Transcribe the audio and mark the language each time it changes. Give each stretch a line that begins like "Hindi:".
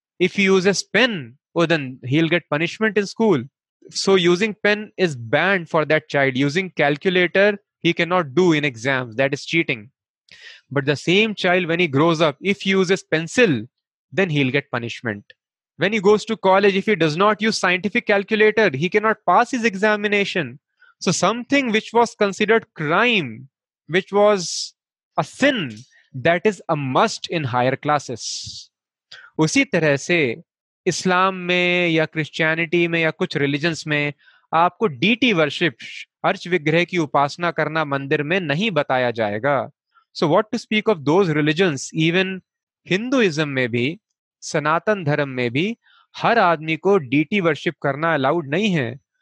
English: If you use as pen then he will get punishment in school. So using pen is banned for that child. Using calculator he can not do in exams, that is cheating. But the same child when he grows up, if he uses pencil then he will get punishment. When he goes to college, if he does not use scientific calculator, he cannot pass his examination. So something which was considered crime, which was a sin, that is a must in higher classes.
Hindi: उसी तरह से इस्लाम में या Christianity में या कुछ religions में आपको डीटी वर्शिप, अर्च विग्रह की उपासना करना मंदिर में नहीं बताया जाएगा.
English: So what to speak of those religions, even Hinduism
Hindi: में भी, सनातन धर्म में भी हर आदमी को डीटी वर्शिप करना अलाउड नहीं है.